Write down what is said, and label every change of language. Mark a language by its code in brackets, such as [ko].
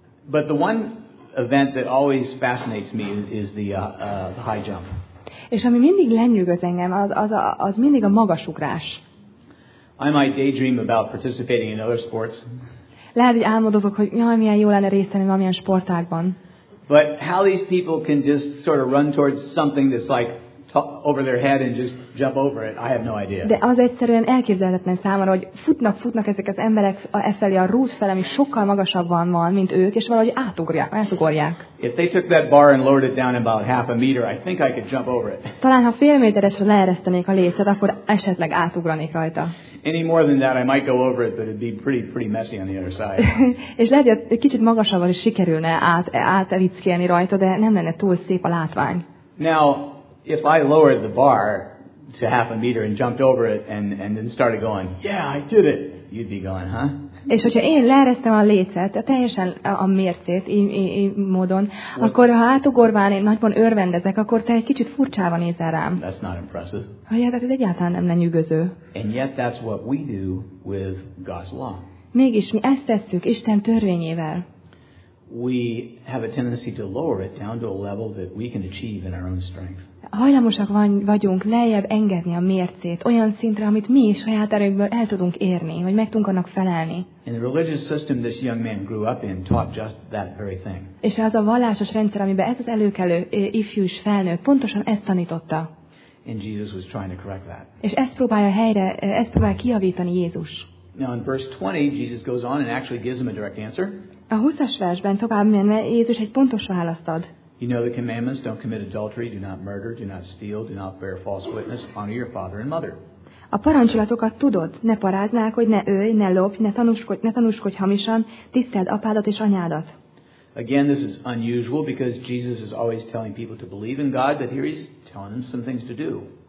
[en] But the one event that always fascinates me is the high jump. [hu] És ami mindig lenyűgöz engem, az mindig a magasugrás. [en] I might daydream about participating in other sports. [hu] Lehet, hogy álmodozok, hogy jaj, milyen jó lenne részt venni valamilyen sportágban. [en] But how these people can just sort of run towards something that's like over their head and just jump over it, I have no idea. [hu] De az egyszerűen elképzelhetetlen számomra, hogy futnak ezek az emberek efelé a rút felé, ami sokkal magasabban van, mint ők, és valahogy átugorják. [en] If they took that bar and lowered it down about half a meter, I think I could jump over it. [hu] Talán ha fél méteresre leeresztenék a lécet, akkor esetleg átugranék rajta. [en] Any more than that, I might go over it, but it'd be pretty messy on the other side. [hu] És lehet, hogy egy kicsit magasabban is sikerülne átvickelni rajta, de nem lenne túl szép a látvány. [en] Now, if I lowered the bar to half a meter and jumped over it and then started going, yeah, I did it, you'd be going, huh? [hu] És hogyha én leeresztem a lécet, teljesen a mércét, módon, akkor ha átugorván én nagyban örvendezek, akkor te egy kicsit furcsában nézel rám. [en] That's not impressive. [hu] Hát ez egyáltalán nem lenyűgöző. [en] And yet that's what we do with God's law. [hu] Mégis mi ezt tesszük Isten törvényével. [en] We have a tendency to lower it down to a level that we can achieve in our own strength. [hu] Hajlamosak vagyunk lejjebb engedni a mércét olyan szintre, amit mi saját erőnkből el tudunk érni, vagy meg tudunk annak felelni. [en] And the religious system this young man grew up in taught just that very thing. [hu] És az a vallásos rendszer, amiben ez az előkelő ifjú is felnőtt, pontosan ezt tanította. [en] And Jesus was trying to correct that. [hu] És ezt próbálja kijavítani Jézus. [en] Now in verse 20, Jesus goes on and actually gives him a direct answer. [hu] A 20-as versben tovább menve Jézus egy pontos választ ad. [en] You know the commandments, don't commit adultery, do not murder, do not steal, do not bear false witness, honor your father and mother. [hu] A parancsolatokat tudod, ne paráználkodj, ne ölj, ne lopj, ne tanúskodj hamisan, tiszteld apádat és anyádat. [en] Again, this is unusual because Jesus is always telling people to believe in God, but here he's telling them some things to do.